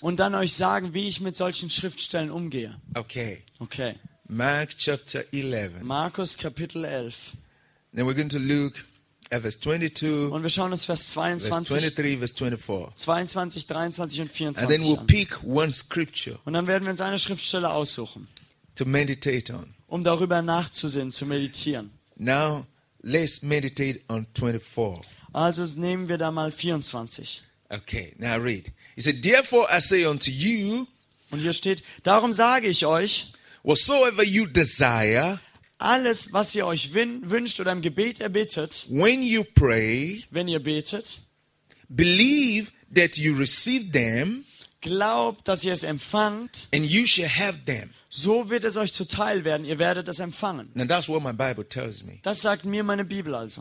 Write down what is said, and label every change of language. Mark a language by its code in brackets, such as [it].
[de] Und dann euch sagen, wie ich mit solchen Schriftstellen umgehe. Okay. Okay. [en] Mark chapter 11. [de] Markus Kapitel 11. [en] Then we're going to look at verse 22. [de] Und wir schauen uns Vers 22. [en] Verse 23, verse 24. [de] 22, 23 und 24. [en] And then we'll pick one scripture. [de] Und dann werden wir uns eine Schriftstelle aussuchen. [en] To meditate on. [de] Um darüber nachzusinnen, zu meditieren. [en] Now let's meditate on 24. [de] Also nehmen wir da mal 24. [en] Okay, now read. He said, therefore I say unto you. [de] Und hier steht, darum sage ich euch. [en] Whatsoever you desire. [de] Alles, was ihr euch wünscht oder im Gebet erbittet. [en] When you pray. [de] Wenn ihr betet. [en] Believe that you receive them. [de] Glaubt, dass ihr es empfangt. [en] And you shall have them. [de] So wird es euch zuteil werden. Ihr werdet es empfangen. Das sagt mir meine Bibel also.